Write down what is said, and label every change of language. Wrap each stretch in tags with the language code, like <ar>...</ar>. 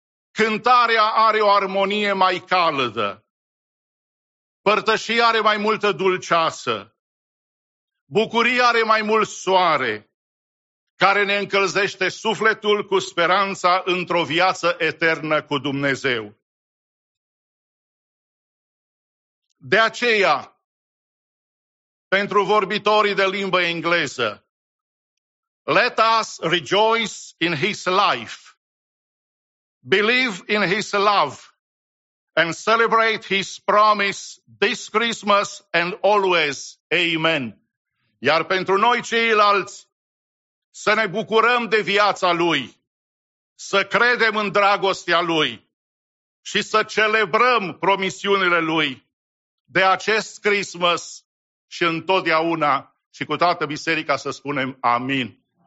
<ro>Cântarea are o armonie mai caldă. Părtășia are mai multă dulceață. Bucuria are mai mult soare, care ne încălzește sufletul cu speranța într-o viață eternă cu Dumnezeu. De aceea, pentru vorbitorii de limbă engleză,</ro> <en>let us rejoice in his life, believe in his love, and celebrate his promise this Christmas and always. Amen.</en> <ro>Iar pentru noi ceilalți, să ne bucurăm de viața Lui, să credem în dragostea Lui și să celebrăm promisiunile Lui de acest Christmas și întotdeauna și cu toată biserica să spunem amin.</ro>